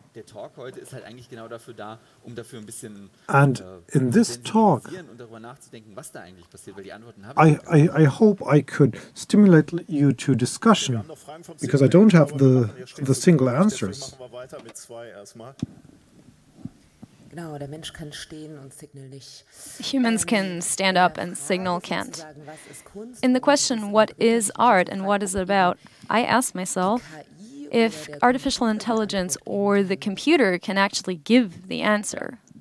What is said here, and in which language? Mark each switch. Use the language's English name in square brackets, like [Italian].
[German] Der Talk heute ist halt eigentlich genau dafür da, um dafür ein bisschen [English] and in this talk [German] und darüber nachzudenken, was da eigentlich passiert, weil die Antworten habe [English] I hope I could stimulate you to discussion because I don't have the single answers. [German] Machen wir weiter mit zwei erstmal. Genau, der Mensch kann stehen und signal nicht. [English] Humans can stand up and signal can't. In the question what is art and what is it about, I ask myself if artificial intelligence or the computer can actually give the answer.